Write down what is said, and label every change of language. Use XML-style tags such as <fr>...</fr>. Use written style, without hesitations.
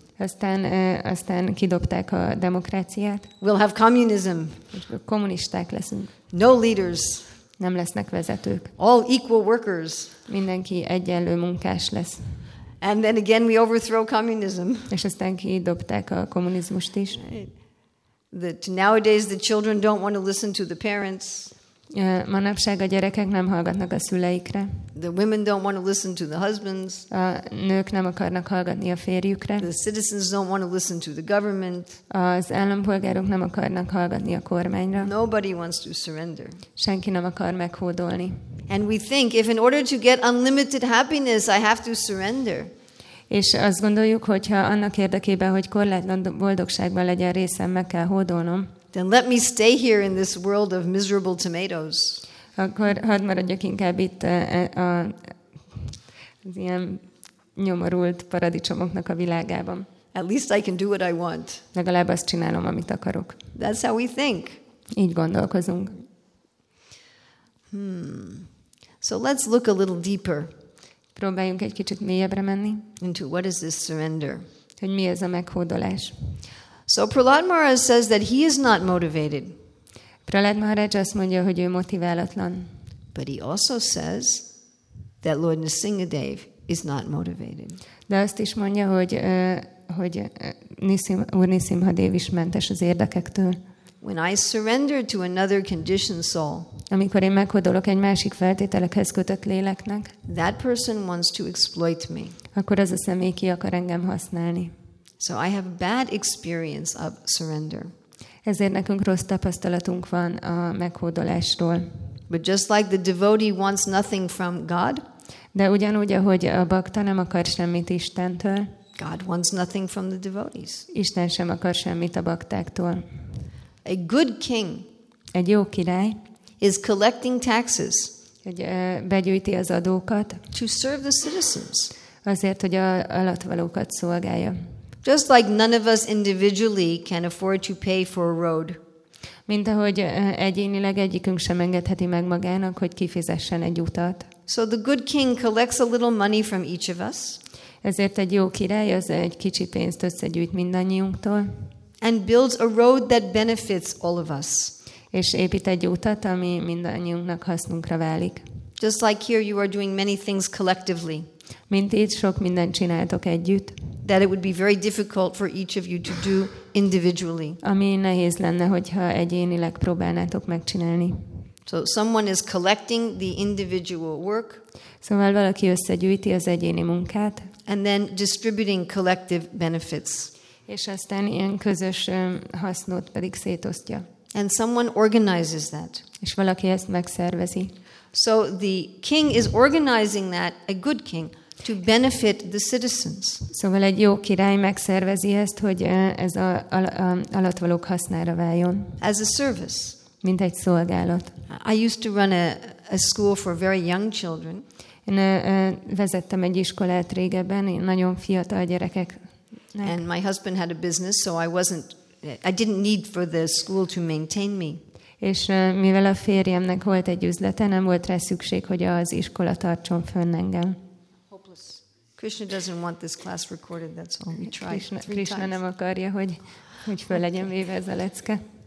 <hu>Aztán kidobták a demokráciát.</hu> <en>We'll have communism.</en> <hu>Kommunisták leszünk.</hu> <en>No leaders.</en> <hu>Nem lesznek vezetők.</hu> <en>All equal workers.</en> <hu>Mindenki egyenlő munkás lesz.</hu> <en>And then again we overthrow communism.</en> <hu>És aztán kidobták a kommunizmust is.</hu> <en>Right. That nowadays the children don't want to listen to the parents.</en> <hu>Manapság a gyerekek nem hallgatnak a szüleikre.</hu> <en>The women don't want to listen to the husbands.</en> <hu>A nők nem akarnak hallgatni a férjükre.</hu> <en>The citizens don't want to listen to the government.</en> <hu>Az állampolgárok nem akarnak hallgatni a kormányra.</hu> <en>Nobody wants to surrender.</en> <hu>Senki nem akar meghódolni.</hu> <en>And we think if in order to get unlimited happiness I have to surrender.</en> <hu>És azt gondoljuk, hogyha annak érdekében, hogy korlátlan boldogságban legyen részem, meg kell hódolnom.</hu> <en>Then let me stay here in this world of miserable tomatoes.</en> <hu>Akkor hadd maradjak inkább itt az ilyen nyomorult paradicsomoknak a világában.</hu> <en>At least I can do what I want.</en> <hu>Legalább azt csinálom, amit akarok.</hu> <en>That's how we think.</en> <hu>Így gondolkozunk.</hu> <en>So let's look a little deeper.</en> <hu>Próbáljunk egy kicsit mélyebbre menni.</hu> <en>Into what is this surrender?</en> <hu>Hogy mi ez a meghódolás?</hu> <en>So Prahlad Maharaj says that he is not motivated.</en> <hu>Prahlad Maharaj azt mondja, hogy ő motiválatlan.</hu> <en>But he also says that Lord Nrisimhadev is not motivated.</en> <hu>De azt is mondja, hogy Úr Nrisimhadev is mentes az érdekektől.</hu> <en>When I surrender to another conditioned soul,</en> <hu>amikor én meghódolok egy másik feltételekhez kötött léleknek,</hu> <en>that person wants to exploit me.</en> <hu>Akkor az a személy ki akar engem használni.</hu> <en>So I have bad experience of surrender.</en> <hu>Ezért nekünk rossz tapasztalatunk van a meghódolásról.</hu> <en>But just like the devotee wants nothing from God,</en> <hu>de ugyanúgy, ahogy a bhakta nem akar semmit Istentől,</hu> <en>God wants nothing from the devotees.</en> <hu>Isten sem akar semmit a baktáktól.</hu> <en>A good king,</en> <hu>egy jó király,</hu> <en>is collecting taxes,</en> <hu>hogy begyűjti az adókat,</hu> <en>to serve the citizens,</en> <hu>azért, hogy a alattvalókat szolgálja.</hu> <en>Just like none of us individually can afford to pay for a road.</en> <hu>Mint ahogy egyénileg egyikünk sem engedheti meg magának, hogy kifizessen egy utat.</hu> <en>So the good king collects a little money from each of us.</en> <hu>Ezért egy jó király az egy kicsi pénzt összegyűjt mindannyiunktól.</hu> <en>And builds a road that benefits all of us.</en> <hu>És épít egy utat, ami mindannyiunknak hasznunkra válik.</hu> <en>Just like here you are doing many things collectively.</en> <hu>Mint itt sok mindent csináltok együtt.</hu> <en>That it would be very difficult for each of you to do individually.</en> <hu>Ami nehéz lenne, hogyha egyénileg próbálnátok megcsinálni.</hu> <en>So someone is collecting the individual work.</en> <hu>Szóval valaki összegyűjti az egyéni munkát.</hu> <en>And then distributing collective benefits.</en> <hu>És aztán ilyen közös hasznot pedig szétosztja.</hu> <en>And someone organizes that.</en> <hu>És valaki ezt megszervezi.</hu> <en>So the king is organizing that, a good king, to benefit the citizens.</en> <hu>Szóval egy jó király megszervezi ezt, hogy ez a alattvalók hasznára váljon.</hu> <en>As a service.</en> <hu>Mint egy szolgálat.</hu> <en>I used to run a school for very young children.</en> <hu>Én vezettem egy iskolát régebben, nagyon fiatal gyerekeknek.</hu> <en>And my husband had a business, so I didn't need for the school to maintain me.</en> <hu>És mivel a férjemnek volt egy üzlete, nem volt rá szükség, hogy az iskola tartson fönn engem.</hu> <en>Hopeless. Krishna doesn't want this class recorded, that's all. We tried Krishna, three Krishna times.</en> <hu>Nem akarja, hogy föl legyen véve ez a lecke.</hu>